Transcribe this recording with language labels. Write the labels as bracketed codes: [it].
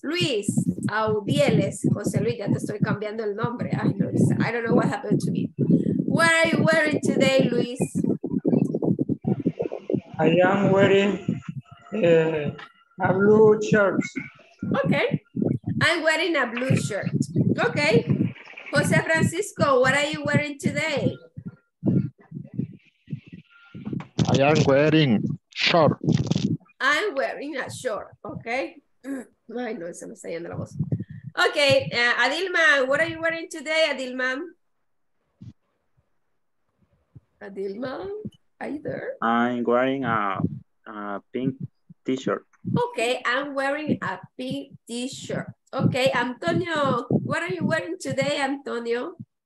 [es] Luis Audieles, José Luis, ya te estoy cambiando el nombre. [en] Ay, Luis, I don't know what happened to me. What are you wearing today, Luis? I am wearing a blue shirt. Okay, I'm wearing a blue shirt. Okay, José Francisco, what are you wearing today? I am wearing short. I'm wearing a short, okay? [es] Ay, no, se me está yendo la voz. [en] Okay, Adilma, what are you wearing today, Adilma? Adilma, are you there? I'm wearing a pink t-shirt. Okay, I'm wearing a pink t-shirt. Okay, Antonio, what are you wearing today, Antonio?